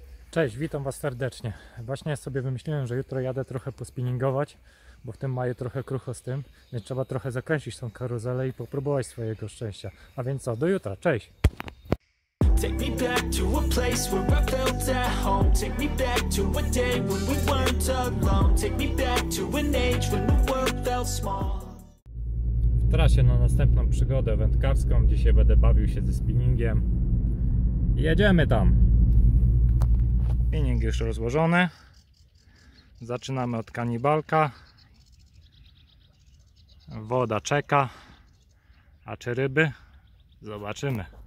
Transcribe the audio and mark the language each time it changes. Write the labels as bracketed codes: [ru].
[pl] Cześć, witam Was serdecznie. Właśnie sobie wymyśliłem, że jutro jadę trochę pospinningować, bo w tym maju trochę krucho z tym, więc trzeba trochę zakręcić tą karuzelę i popróbować swojego szczęścia. A więc co, do jutra, cześć! [en] Take me back to a place where I felt at home. Take me back to a day when we weren't alone. Take me back to an age when the world felt small. [pl] W trasie na następną przygodę wędkarską. Dzisiaj będę bawił się ze spinningiem. Jedziemy tam! Spinning już rozłożony. Zaczynamy od kanibalka. Woda czeka. A czy ryby? Zobaczymy.